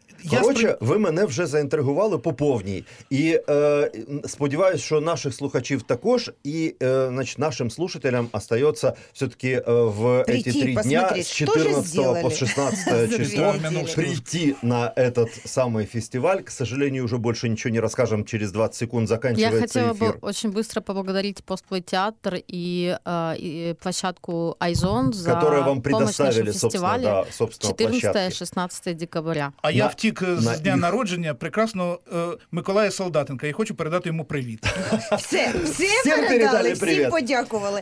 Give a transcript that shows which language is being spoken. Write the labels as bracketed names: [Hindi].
[Ukrainian] Коротше, ви мене вже заінтригували по повній. І сподіваюся, що наших слухачів також, і нашим слухателям остається все-таки в ці 3 дні з 14 по 16 число прийти [Russian] на этот [Ukrainian] самий фестиваль. [Russian] К сожалению, уже больше ничего не расскажем. Через 20 секунд заканчивается эфир. Я хотела бы очень быстро поблагодарить Постплей театр и площадку Айзон за которую вам предоставили, собственно, 14-16 декабря. [Ukrainian] А я втік з дня народження прекрасного Миколая Солдатенка. Я хочу передати йому привіт. Все передали, всім подякували.